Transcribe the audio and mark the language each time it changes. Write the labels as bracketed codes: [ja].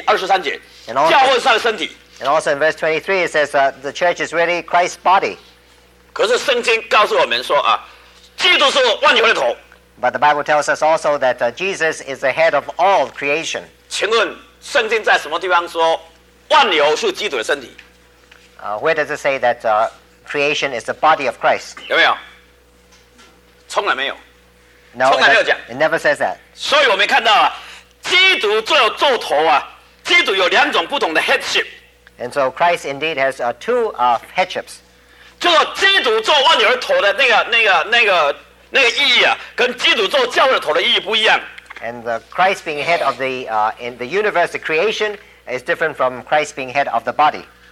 [zh] 这里圣经又告诉我们说，教会以后的圣经第一章后面告诉我们说，教会是基督的身体，在第一章第23节，教会上的身体。 [en] And also in verse 23, it says that the church is really Christ's body. [zh] 可是圣经告诉我们说啊。 [en] But the Bible tells us also that Jesus is the head of all creation. [zh] 请问圣经在什么地方说万有是基督的身体？ [en] Where does it say that creation is the body of Christ? [zh] 有没有？从来没有。 [en] No, it never says that. [zh] 所以我们看到基督做头啊，基督有两种不同的 headship. [en] And so Christ indeed has two headships. [zh] 就是基督做万有头的那个 那个意义啊，跟基督做教会头的意义不一样。 [en] And the Christ being head of the in the universe, the creation is different from Christ being head of the body.